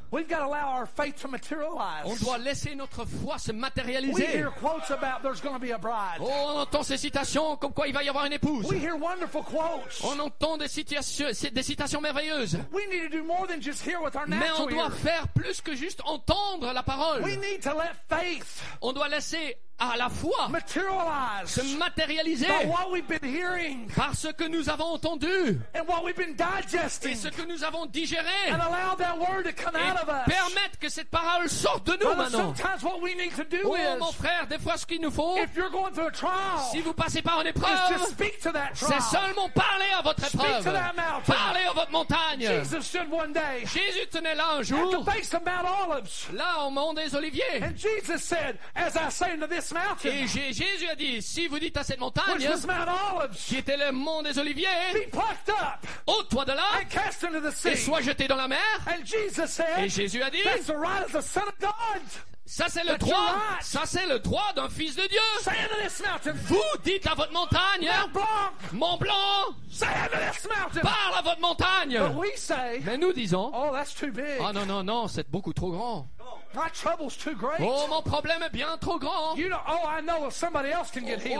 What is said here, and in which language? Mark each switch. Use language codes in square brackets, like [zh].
[en] we've got to allow our faith to materialize. [fr] On doit laisser notre foi se matérialiser. [en] We hear quotes about there's going to be a bride. [fr] Oh, on entend ces citations comme quoi il va y avoir une épouse. [en] We hear wonderful quotes. [fr] On entend des citations merveilleuses. [en] We need to do more than just hear with our natural [fr] Mais on doit faire plus que juste entendre la parole. [en] We need to let faith. [fr] On doit laisser à la foi [en] materialize [fr] se matérialiser [en] by what we've been hearing [fr] par ce que nous avons entendu [en] and what we've been digesting [fr] et ce que nous avons digéré [en] and allow that word to come [fr] et [en] out of us. [fr] Permettre que cette parole sorte de nous [en] Brother, [fr] maintenant. [en] Sometimes what we need to do oh is, [fr] mon frère, des fois ce qu'il nous faut [en] if you're going through a trial, [fr] si vous passez par une épreuve [en] is to speak to that trial. [fr] C'est seulement parler à votre épreuve [en] speak to that mountain. [fr] Parler à votre montagne. [en] Jesus stood one day, [fr] Jésus tenait là un jour [en] at the base of Mount Olives, [fr] là au mont des Oliviers [en] and Jesus said, as I say unto this [fr] et Jésus a dit si vous dites à cette montagne [en] Olives, [fr] qui était le mont des Oliviers ôte-toi de là [en] cast into the sea. [fr] Et sois jeté dans la mer [en] and Jesus said, [fr] et Jésus a dit [en] that's the right of the Son of God. [fr] Ça c'est le [en] that [fr] droit ça c'est le droit d'un fils de Dieu [en] say into this mountain. [fr] Vous dites à votre montagne [en] Mount Blanc. [fr] Mont Blanc [en] say into this mountain. [fr] Parle à votre montagne [en] but we say, [fr] mais nous disons [en] oh, that's too big. [fr] Oh non c'est beaucoup trop grand. [en] My trouble's too great. [fr] Oh, mon problème est bien trop grand. [en] You know, oh, I know if somebody else can get healing.